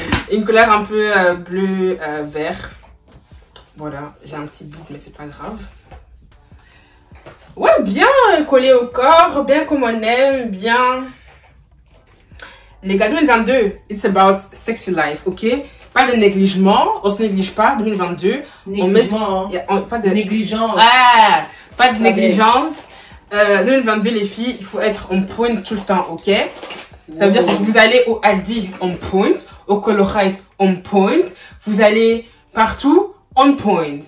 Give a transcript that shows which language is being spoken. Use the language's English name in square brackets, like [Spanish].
[French] Une couleur un peu bleu vert. Voilà, j'ai un petit bout, mais c'est pas grave. Ouais, bien collé au corps, bien comme on aime, bien. Les gars, [English] 2022, it's about sexy life, ok? [French] Pas de négligement, on se néglige pas, 2022. Négligement, on met... pas de négligence. Ah, pas de négligence. 2022, les filles, il faut être on point tout le temps, ok? Ça veut dire que vous allez au Aldi, on point. Au Colorite, on point. Vous allez partout. On point.